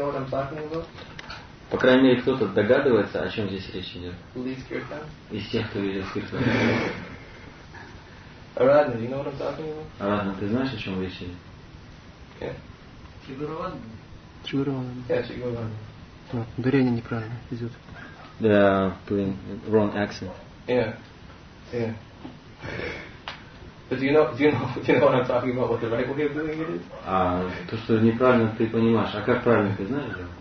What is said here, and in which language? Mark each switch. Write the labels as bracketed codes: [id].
[ru] По крайней мере, кто-то догадывается, о чем здесь речь идет. Из тех, кто ведет киртан. Арадна, ты знаешь, о чем речь идет? Чигурована. Чигурована. Ударение неправильно идет. Да, [en] putting wrong accent. But do you know what I'm talking about? What the right way of doing it is? [ru] То что неправильно ты понимаешь. А как правильно ты знаешь?